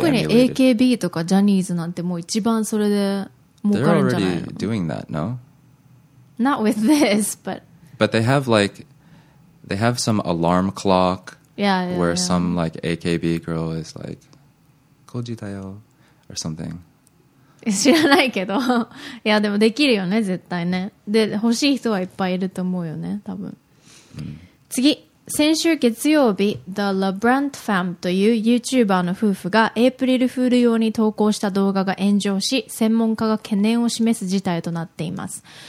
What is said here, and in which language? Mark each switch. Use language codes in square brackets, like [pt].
[ja] 特に AKB とかジャニーズなんてもう一番それで儲かるんじゃないの? [en] They're already doing that, no? Not with this, but... But they have like... They have some alarm clock where some like AKB girl is like... [ja] Koji da yo, [en] or something. [ja] 知らないけど。いや、でもできるよね、絶対ね。で、欲しい人はいっぱいいると思うよね、多分。次。先週月曜日、The LeBrant Fam という YouTuber の夫婦がエイプリルフール用に投稿した動画が炎上し、専門家が懸念を示す事態となっています。